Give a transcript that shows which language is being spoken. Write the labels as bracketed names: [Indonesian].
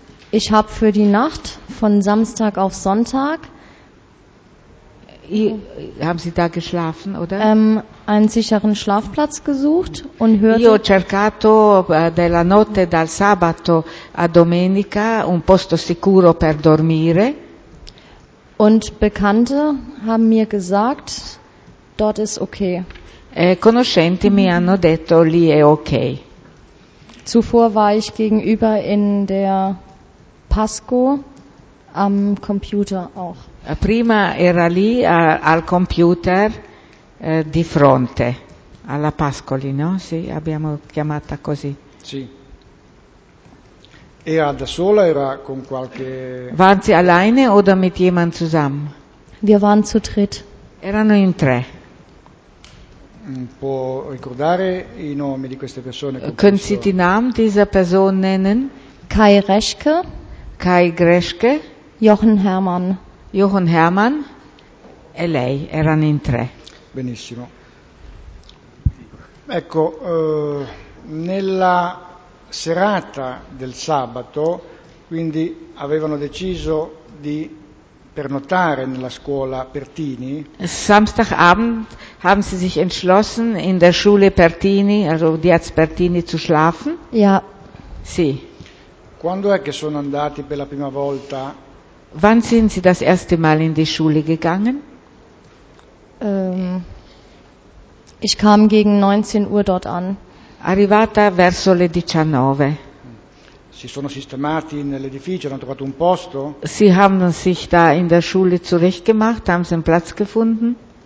[German] Ich habe für die Nacht von Samstag auf Sonntag. Haben Sie da geschlafen, oder? Einen sicheren Schlafplatz gesucht und hörte. [Italian] Io ho cercato della notte dal sabato a domenica un posto sicuro per dormire. [German] Und Bekannte haben mir gesagt, dort ist okay. [Italian] Conoscenti mi hanno detto lì è okay. [German] Zuvor war ich gegenüber in der Pasco am Computer auch. [Italian] Prima era lì al computer di fronte, alla Pascoli, no? Sì, abbiamo chiamata così. Sì. Era da sola, era con qualche... [German] Waren Sie alleine oder mit jemand zusammen? Wir waren zu dritt. [Italian] Erano in tre. Può ricordare i nomi di queste persone? [German] Können Sie die Namen dieser Person nennen? Kai Reschke. [Italian] Kai Greschke. [German] Jochen Hermann. [Italian] Jochen Hermann e lei, erano in tre. Benissimo. Ecco, nella serata del sabato, quindi avevano deciso di pernottare nella scuola Pertini. [German] Samstagabend haben sie sich entschlossen, in der Schule Pertini, also Diaz Pertini, zu schlafen? Ja. [Italian] Sì. Quando è che sono andati per la prima volta? [German] Wann sind Sie das erste Mal in die Schule gegangen? Ich kam gegen 19 Uhr dort an. [Italian] Arrivata verso le 19. Si sono sistemati nell'edificio, hanno trovato un posto? [German] Sie haben sich da in der Schule zurechtgemacht, haben Sie einen Platz gefunden?